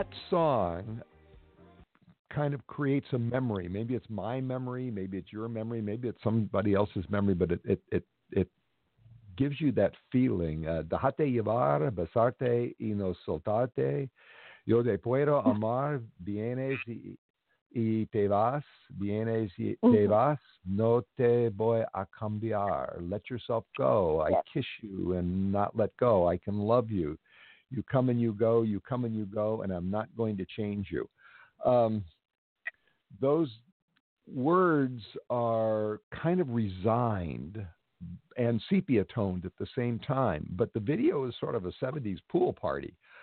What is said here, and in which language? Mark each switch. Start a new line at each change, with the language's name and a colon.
English: kind of creates a memory. Maybe it's my memory, maybe it's your memory, maybe it's somebody else's memory, but it gives you that feeling.
Spanish: Dejate llevar, besarte y no soltarte. Yo te puedo amar, vienes y te vas. Vienes y te vas, no te voy a cambiar.
English: Let yourself go. I kiss you and not let go. I can love you. You come and you go, you come and you go, and I'm not going to change you. Those words are kind of resigned and sepia toned at the same time, but the video is sort of a 70s pool party.